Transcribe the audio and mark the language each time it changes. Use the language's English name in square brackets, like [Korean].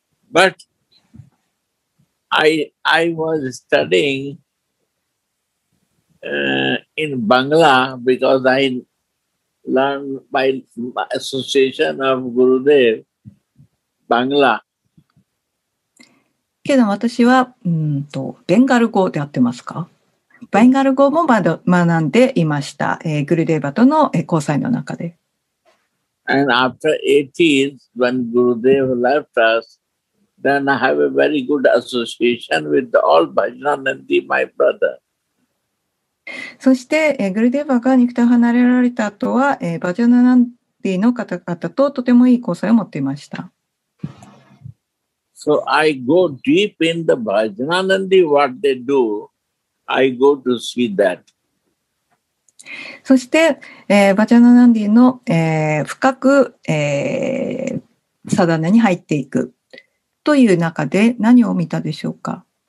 [English] But I was studying in Bangla because I learned by association of Gurudev Bangla. [Japanese] けど私はベンガル語でやってますか? ベンガル語も学んでいました。グルデーバとの交際の中で。 [English] And after 80s, when Gurudev left us, then I have a very good association with all Bhajanandi, my brother. [Japanese] そして、グルデーバが肉体を離れられた後は、バジャナナンディの方々ととてもいい交際を持っていました。 [English] So I go deep in the Bhajanandi, what they do, I go to see that. [Japanese] そして、バジャナナンディの、深く、サダナに入っていくという中で何を見たでしょうか?